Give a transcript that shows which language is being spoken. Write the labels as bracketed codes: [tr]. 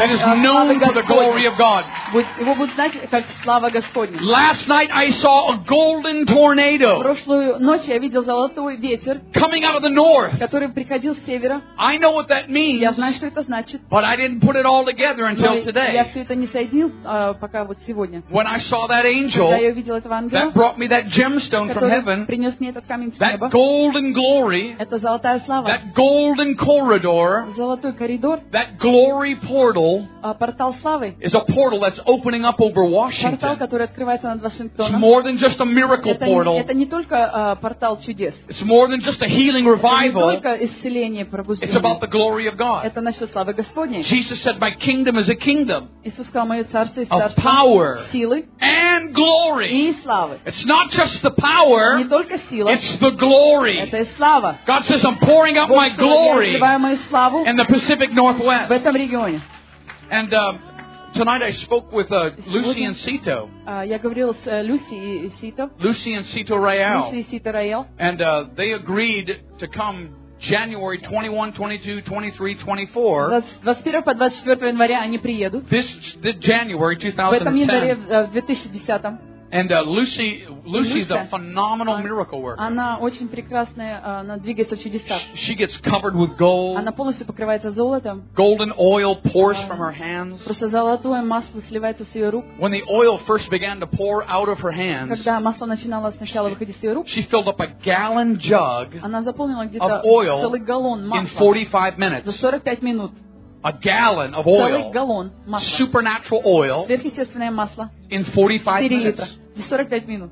[en] It is known for the glory of God. [ru] Его будут знать как слава Господня. [en] Last night I saw a golden tornado. [ru] Прошлую ночь я видел золотой ветер. [en] Coming out of the north. [ru] Который приходил с севера. [en] I know what that means. [ru] Я знаю, что это значит. [en] But I didn't put it all together until today. [ru] Я все это не соединил пока вот сегодня. [en] When I saw that angel. [ru] Когда я увидел этого ангела. [en] That brought me that gemstone from heaven. [ru] Принес мне этот камень с неба. [en] That golden glory. [ru] Это золотая слава. [en] That golden corridor. [ru] Золотой коридор. [en] That glory portal. [ru] Портал славы. [en] Is a portal that's opening up over Washington. [ru] Портал, который открывается над Вашингтоном. [en] It's more than just a miracle portal. [ru] Это не только портал чудес. [en] It's more than just a healing revival. [ru] Это не только исцеление пробуждения. [en] It's about the glory of God. [ru] Это насчет славы Господней. [en] Jesus said, "My kingdom is a kingdom." [ru] Иисус сказал, "Мое царство есть царство." [en] Of power. [ru] Силы. [en] And glory. [ru] И славы. [en] It's not just the power. [ru] Не только сила. [en] It's the glory. [ru] Это и слава. [en] God says, I'm pouring out my glory in the Pacific Northwest. [ru] В этом регионе. [en] And tonight I spoke with Lucy and Sito. [ru] Я говорил с Люси и Сито. [en] Lucy and Sito Rael. [ru] Люси и Сито Рael. [en] And they agreed to come January 21, [ru] 22, 23, 24. 21 по 24 января они приедут. [en] This January 2010. And Lucy's a phenomenal miracle worker. [ru] Она очень прекрасная, она двигается в чудесах. [en] She gets covered with gold. [ru] Она полностью покрывается золотом. [en] Golden oil pours from her hands. [ru] Просто золотое масло сливается с ее рук. [en] When the oil first began to pour out of her hands, [ru] когда масло начинало сначала выходить с ее рук, [en] she filled up a gallon jug. [ru] Она заполнила где-то целый галлон масла. [en] In 45 minutes. [ru] За 45 минут. [en] A gallon of oil. [ru] Целый галлон масла. [en] Supernatural oil. [ru] Сверхъестественное масло. [en] In 45 [ru] минутes. За 45 минут.